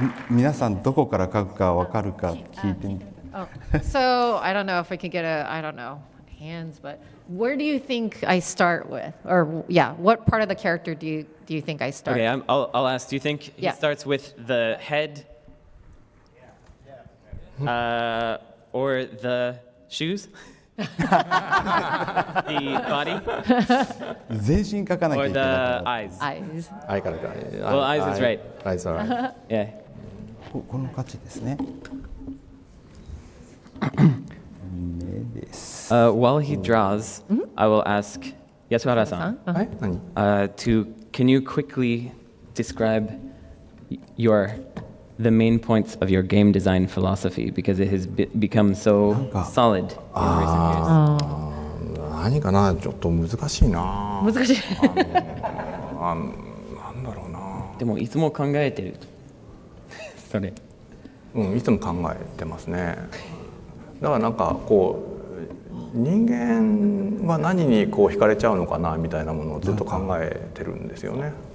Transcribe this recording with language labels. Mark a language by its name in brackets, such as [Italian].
[Japanese] 皆さんどこから書くか分かるか聞いてみて。 [English] So I don't know if I can get a I don't know hands, but where do you think I start with? Or yeah, what part of the character do you think I start? Okay, I'll ask. Do you think he starts with the head? Yeah. Or the shoes? The body? [Japanese] 全身描かなきゃいけない。 [English] Or the eyes? Eyes. [Japanese] アイから描く。 [English] Well, eyes is right. Eyes are right. Yeah. [Japanese] この価値ですね。目です。 [English] While he draws, I will ask Yasuhara-san. [Japanese] はい。 [English] Can you quickly describe your the main points of your game design philosophy because it has become so solid in recent years? [Japanese] ああ、何かな、ちょっと難しいな。難しい。なんだろうな。でもいつも考えてる。それ。うん、いつも考えてますね。だからなんかこう人間は何にこう惹かれちゃうのかなみたいなものをずっと考えてるんですよね。